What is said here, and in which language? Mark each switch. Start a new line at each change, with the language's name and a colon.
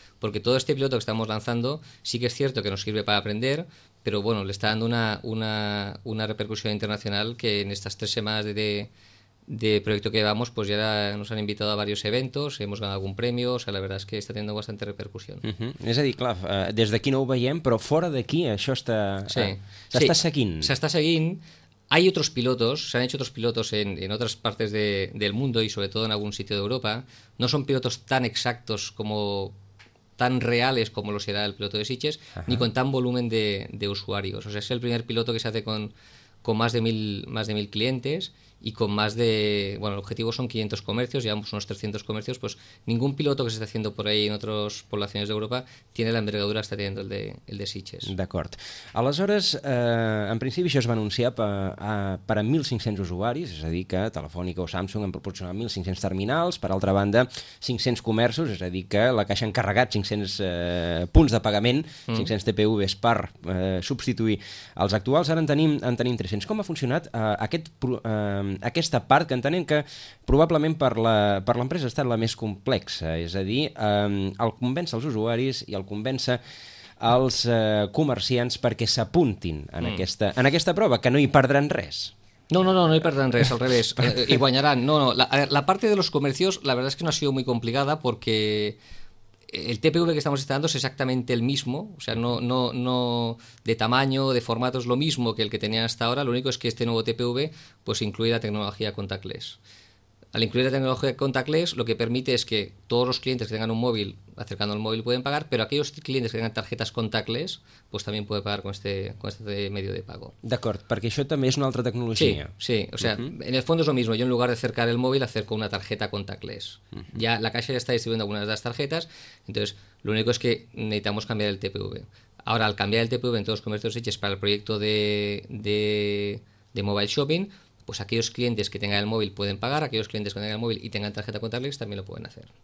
Spanish: Porque todo este piloto que estamos lanzando sí que es cierto que nos sirve para aprender, pero bueno, le está dando una repercusión internacional que en estas 3 semanas de proyecto que llevamos, pues ya nos han invitado a varios eventos, hemos ganado algún premio, o sea, la verdad es que está teniendo bastante repercusión. Uh-huh.
Catalan: És a dir, clar, des d'aquí no ho veiem, però fora d'aquí això està... S'està seguint. S'està seguint.
Spanish: Hay otros pilotos, se han hecho otros pilotos en otras partes del mundo y sobre todo en algún sitio de Europa. No son pilotos tan exactos como... tan reales como lo será el piloto de Sitges, ajá, ni con tan volumen de usuarios. O sea, es el primer piloto que se hace con más de mil clientes y con más de... Bueno, el objetivo son 500 comercios, llevamos unos 300 comercios, pues ningún piloto que se está haciendo por ahí en otras poblaciones de Europa tiene la envergadura que está teniendo el de Sitges.
Catalan: D'acord. Aleshores, en principi això es va anunciar per a 1.500 usuaris, és a dir que Telefònica o Samsung han proporcionat 1.500 terminals, per altra banda, 500 comercios, és a dir que la Caixa ha encarregat 500 punts de pagament, 500 TPVs per substituir els actuals. Ara en tenim 300. Com ha funcionat aquesta part, que entenem que probablement per l'empresa ha estat la més complexa, és a dir, el convèncer els usuaris i el convèncer els comerciants perquè s'apuntin en aquesta prova, que no hi perdran res. No hi perdran res, al revés, hi guanyaran.
Spanish: No, la parte de los comercios, la verdad es que no ha sido muy complicada porque el TPV que estamos instalando es exactamente el mismo, o sea, no de tamaño, de formato, es lo mismo que el que tenían hasta ahora. Lo único es que este nuevo TPV pues incluye la tecnología contactless. Al incluir la tecnología contactless, lo que permite es que todos los clientes que tengan un móvil, acercando el móvil, pueden pagar, pero aquellos clientes que tengan tarjetas contactless, pues también pueden pagar con este medio de pago.
Catalan: D'acord, perquè això també és una altra tecnologia.
Spanish: Sí, o sea, uh-huh, en el fondo es lo mismo. Yo, en lugar de acercar el móvil, acerco una tarjeta contactless. Uh-huh. Ya la Caixa ya está distribuyendo algunas de las tarjetas, entonces lo único es que necesitamos cambiar el TPV. Ahora, al cambiar el TPV en todos los comercios hechos para el proyecto de Mobile Shopping, pues aquellos clientes que tengan el móvil pueden pagar, aquellos clientes que tengan el móvil y tengan tarjeta contactless también lo pueden hacer.